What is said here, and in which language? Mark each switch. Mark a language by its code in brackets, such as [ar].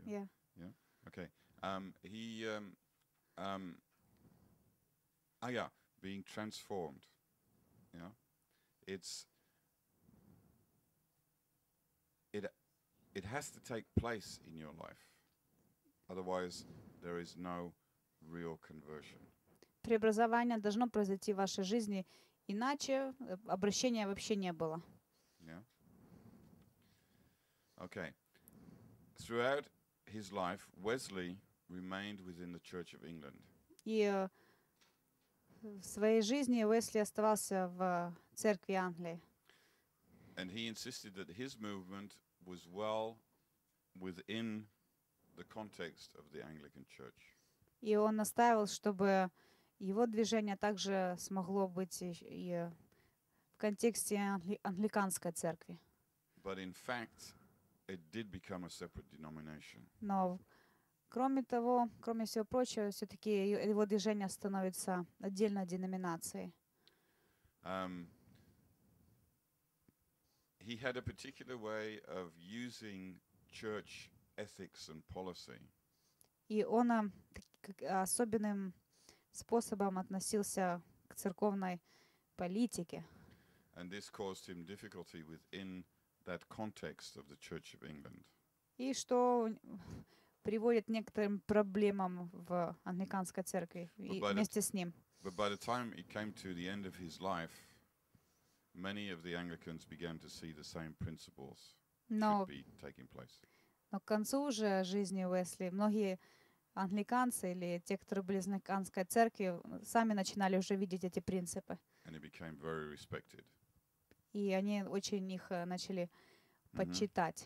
[en] Yeah. Okay. Being transformed. Yeah. It has to take place in your life. Otherwise, there is no real conversion. [ru] Преобразование должно произойти в вашей жизни, иначе обращения вообще не было. [en] Yeah. Okay. Throughout his life, Wesley remained within the Church of England. [ru] И в своей жизни Уэсли оставался в церкви Англии. [en] And he insisted that his movement was well within the context of the Anglican Church. [ru] И он настаивал, чтобы его движение также смогло быть и в контексте англиканской церкви. [en] But in fact, it did become a separate denomination. [ru] Но кроме того, кроме всего прочего, все-таки его движение становится отдельной деноминацией. [en] He had a particular way of using church ethics and policy. [ru] И он особенным способом относился к церковной политике. [en] And this caused him difficulty within that context of the Church of England. [ru] И что приводит к некоторым проблемам в англиканской церкви вместе с ним. [en] But by the time it came to the end of his life, many of the Anglicans began to see the same principles should be taking place. [ru] Но к концу уже жизни Уэсли многие англиканцы или те, которые были из англиканской церкви, сами начинали уже видеть эти принципы. [en] And it became very respected. [ru] И они очень их начали почитать.